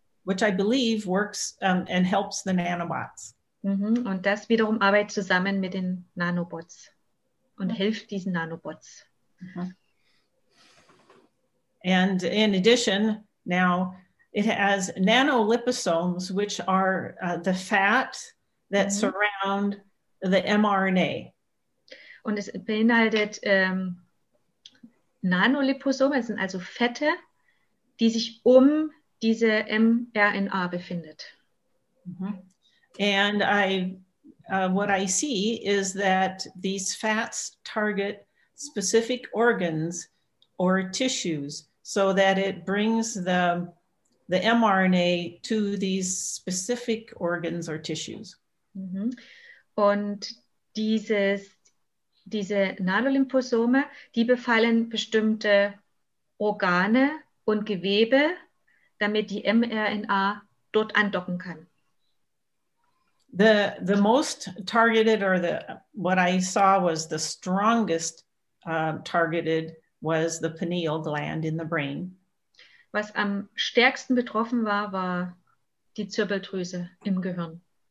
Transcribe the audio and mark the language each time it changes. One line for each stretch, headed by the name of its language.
English: Which I believe works and helps the nanobots. Mm-hmm.
German: Und das wiederum arbeitet zusammen mit den Nanobots und hilft diesen Nanobots. Mm-hmm.
English: And in addition, now it has nanoliposomes, which are the fat that mm-hmm. surround the mRNA.
German: Und es beinhaltet Nanoliposome, es sind also Fette, die sich um diese mRNA befindet. Mm-hmm.
English: And what I see is that these fats target specific organs or tissues so that it brings the mRNA to these specific organs or tissues. Mm-hmm.
German: Und diese Nanoliposome, die befallen bestimmte Organe und Gewebe, damit die mRNA dort andocken kann.
English: The most targeted or the what I saw was the strongest targeted was the pineal gland in the brain.
German: Was am stärksten betroffen war die Zirbeldrüse im Gehirn.